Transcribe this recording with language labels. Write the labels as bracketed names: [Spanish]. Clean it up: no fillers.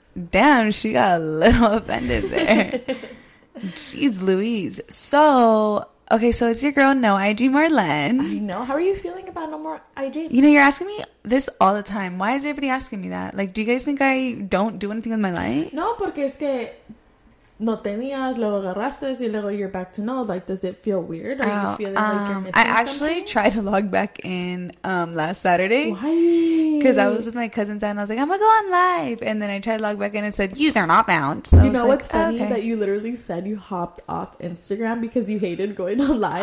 [English] Damn, she got a little offended there. Jeez Louise. So... Okay, so it's your girl, No IG Marlene. I know. How are you feeling about No More IG? You know, you're asking me this all the time. Why is everybody asking me that? Like, do you guys think I don't do anything with my life? [Spanish] No, porque es que no tenías, luego agarraste, y luego [English] you're back to no. Like, does it feel weird? Are you feeling like you're missing something? I actually tried to log back in last Saturday. Why? Because I was with my cousin's dad, and I was like, I'm going to go on live. And then I tried to log back in, and it said, user not found. So you know what's funny? Okay. That you literally said you hopped off Instagram because you hated going on live.